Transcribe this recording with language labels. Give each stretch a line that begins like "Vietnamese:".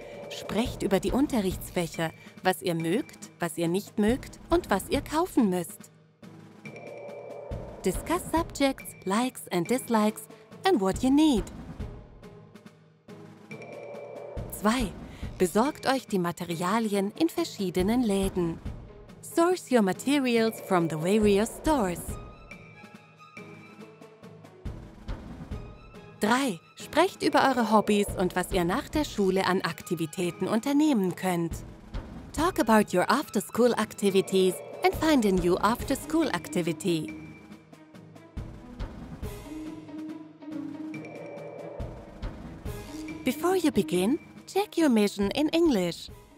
German: Sprecht über die Unterrichtsfächer, was ihr mögt, was ihr nicht mögt und was ihr kaufen müsst.
English: Discuss subjects, likes and dislikes and what you need.
German: 2. Besorgt euch die Materialien in verschiedenen Läden.
English: Source your materials from the various stores. 3.
German: Sprecht über eure Hobbys und was ihr nach der Schule an Aktivitäten unternehmen könnt.
English: Talk about your after-school activities and find a new after-school activity. Before you begin, check your mission in English.